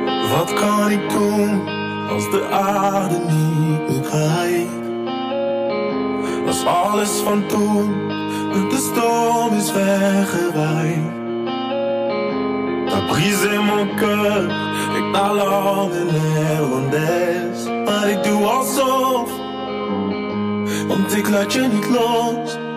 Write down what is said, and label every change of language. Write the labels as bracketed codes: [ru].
[nl] Wat kan ik doen als de aarde niet meer krijgt? Als alles van toen met de storm is weggewaaid? [fr] T'as brisé mon cœur, avec ta langue néerlandaise. [nl] Maar ik doe alsof, want ik laat je niet los.